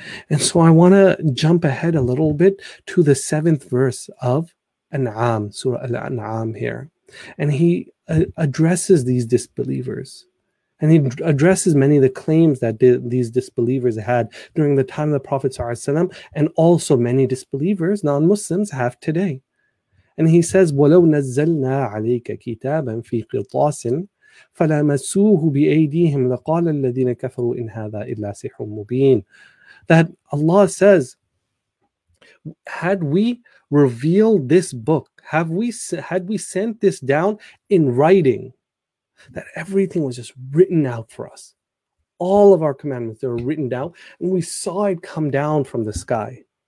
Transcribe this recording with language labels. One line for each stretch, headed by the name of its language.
English: And so I want to jump ahead a little bit to the seventh verse of An'am, Surah Al-An'am here. And He addresses these disbelievers, and He addresses many of the claims that these disbelievers had during the time of the Prophet sallallahu alaihi wasallam, and also many disbelievers, non-Muslims, have today. And He says,
Arabic: وَلَوْ نَزَّلْنَا عَلَيْكَ كِتَابًا فِي قِطَاسٍ فَلَمَسُوهُ بِأَيْدِيهِمْ لَقَالَ الَّذِينَ كَفَرُوا إِنْ هَذَا إِلَّا سِحْرٌ مُبِينٌ.
English: That Allah says, had we revealed this book, had we sent this down in writing, that everything was just written out for us. All of our commandments, they were written down, and we saw it come down from the sky.